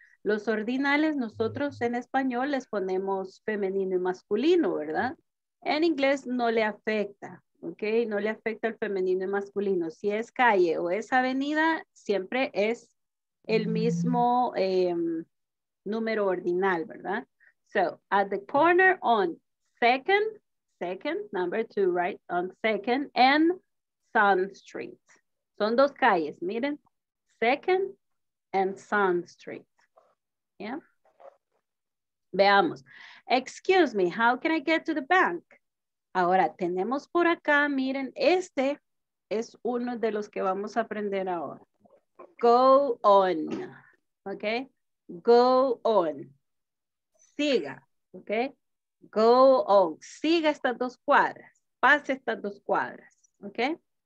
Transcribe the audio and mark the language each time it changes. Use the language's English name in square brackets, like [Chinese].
[Spanish] Los ordinales nosotros en español les ponemos femenino y masculino, ¿verdad? En inglés no le afecta. Ok, no le afecta al femenino y masculino. Si es calle o es avenida, siempre es el mismo número ordinal, ¿verdad? [English] So, at the corner on 2nd, number 2, right? On 2nd and Sun Street. [Spanish] Son dos calles, miren. [English] 2nd and Sun Street. Yeah. Veamos. Excuse me, how can I get to the bank? [Spanish] Ahora, tenemos por acá, miren, este es uno de los que vamos a aprender ahora. [English] Go on, ¿ok? Go on. Siga, ¿ok? Go on. [Spanish] Siga estas dos cuadras. Pase estas dos cuadras, ¿ok?